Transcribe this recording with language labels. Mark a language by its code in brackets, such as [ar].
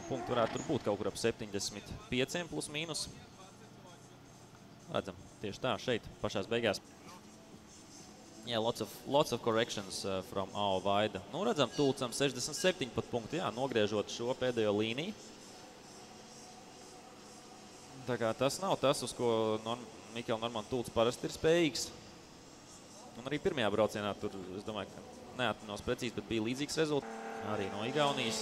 [lv] Punkti varētu tur būt kaut kur ap 75 plus mīnus. Redzam, tieši tā, šeit pašās beigās. [en] Yeah, lots of corrections from Ao Vaida. [lv] Nu redzam tulcam 67 pat punktu, jā, nogriežot šo pēdējo līniju. Tā kā tas nav tas, uz ko Mikela Normanna Tulc parasti ir spējīgs. Un arī pirmajā braucienā tur, es domāju, ka neatminos precīzi, bet bija līdzīgs rezultāts. Arī no Igaunijas.